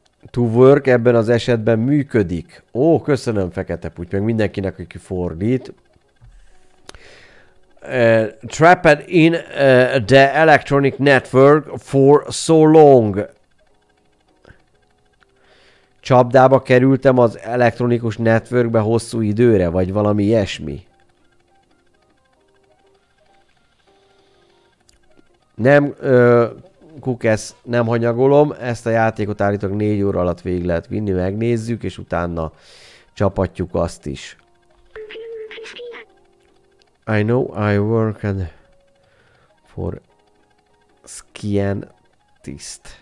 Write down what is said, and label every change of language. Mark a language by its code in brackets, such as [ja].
[en] To work [hu] ebben az esetben működik. Ó, köszönöm, Fekete Puty, meg mindenkinek, aki fordít. [en] Trapped in the electronic network for so long. [hu] Csapdába kerültem az elektronikus networkbe hosszú időre, vagy valami ilyesmi. Nem... Kukesz, nem hanyagolom, ezt a játékot állítok 4 óra alatt végig lehet vinni, megnézzük, és utána csapatjuk azt is. [en] I know I worked for scientist.